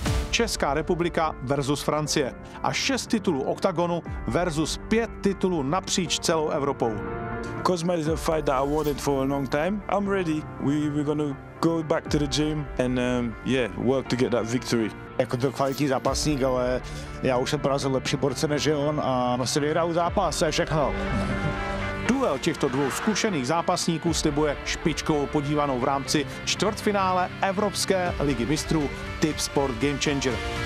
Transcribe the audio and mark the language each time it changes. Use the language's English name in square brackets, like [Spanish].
[Czech] Česká republika versus Francie a 6 titulů OKTAGONu versus 5 titulů napříč celou Evropou. [English] Kozma is a fight that I wanted for a long time. I'm ready. We're gonna go back to the gym and work to get that victory. [Czech] Jako to kvalitní zápasník, ale já už jsem porazil lepší borce než on a prostě vyhrál zápas, a všechno. Duel těchto dvou zkušených zápasníků slibuje špičkovou podívanou v rámci čtvrtfinále Evropské ligy mistrů Tipsport Gamechanger.